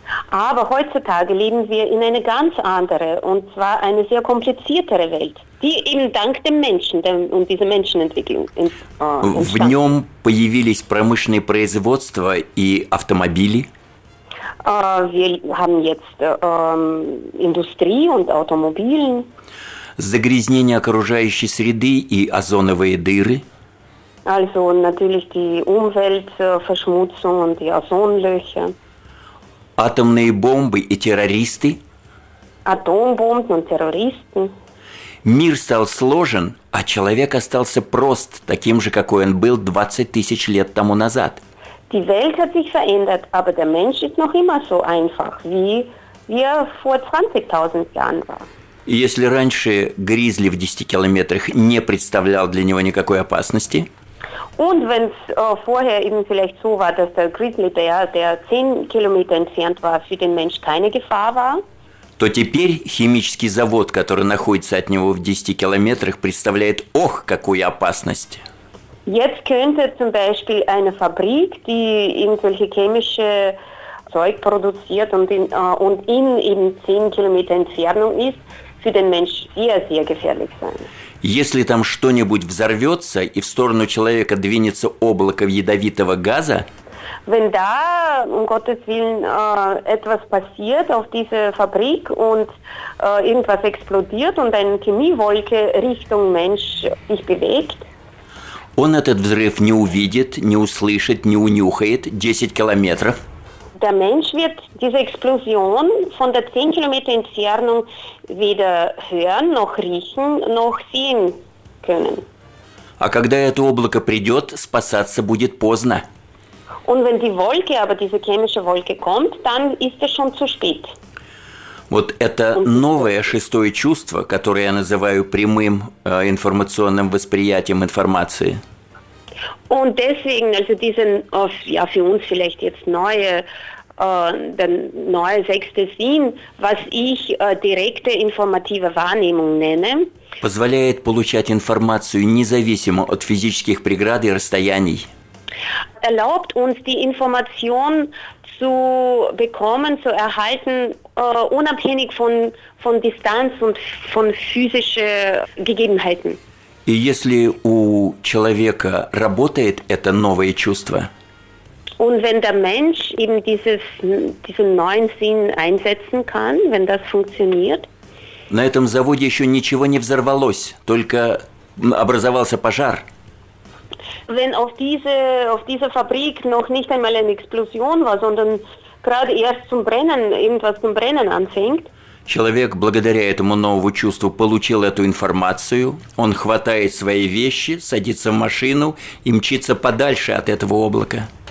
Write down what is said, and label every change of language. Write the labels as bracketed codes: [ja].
[de] Aber heutzutage leben wir in eine ganz andere und zwar eine sehr kompliziertere Welt, die eben dank dem Menschen und dieser Menschenentwicklung entstanden. [ru] В нем появились промышленные производства и автомобили. [de] Wir haben jetzt Industrie und Automobile. [ru] Загрязнение окружающей среды и озоновые дыры. [de] Also natürlich die Umweltverschmutzung und die Ozonlöcher. [ru] Атомные бомбы и террористы. [de] Atombomben und Terroristen. [ru] Мир стал сложен, а человек остался прост, таким же, какой он был 20 тысяч лет тому назад. [de] Die Welt hat sich verändert, aber der Mensch ist noch immer so einfach, wie wir vor 20.000 Jahren waren. [ru] Если раньше гризли в 10 километрах не представлял для него никакой опасности, [de] und wenn es vorher eben vielleicht so war, dass der Grizzlybär, der 10 Kilometer entfernt war, für den Mensch keine Gefahr war, [ru] то теперь химический завод, который находится от него в 10 километрах, представляет, ох, какую опасность. [de] Jetzt könnte zum Beispiel eine Fabrik, die irgendwelche chemische Zeug produziert und in eben 10 Kilometer Entfernung ist, für den Mensch sehr, sehr gefährlich sein. [ru] Если там что-нибудь взорвется и в сторону человека двинется облако ядовитого газа, [de] wenn da, um Gottes Willen, etwas passiert auf diese Fabrik und irgendwas explodiert und eine Chemiewolke Richtung Mensch sich bewegt, [ru] он этот взрыв не увидит, не услышит, не унюхает 10 километров. [de] Der Mensch wird diese Explosion von der 10 Kilometer Entfernung weder hören, noch riechen, noch sehen können. [ru] А когда это облако придет, спасаться будет поздно. [de] Und wenn die Wolke, aber diese chemische Wolke kommt, dann ist es schon zu spät. [ru] Вот это новое шестое чувство, которое я называю прямым информационным восприятием информации. [de] Und deswegen, also diese, ja, für uns vielleicht jetzt neue, der neue sechste Sinn, was ich direkte informative Wahrnehmung nenne, [ru] позволяет получать информацию независимо от физических преград и расстояний. [de] Erlaubt uns, die Information zu bekommen, zu erhalten, unabhängig von Distanz und von physischen Gegebenheiten. [ru] И если у человека работает это новое чувство, [de] und wenn der Mensch eben diesen neuen Sinn einsetzen kann, wenn das funktioniert, [ru] на этом заводе еще ничего не взорвалось, только образовался пожар. [de] Wenn auf dieser Fabrik noch nicht einmal eine Explosion war, sondern gerade erst zum Brennen, irgendwas zum Brennen anfängt, [ru] человек, благодаря этому новому чувству, получил эту информацию, он хватает свои вещи, садится в машину и мчится подальше от этого облака.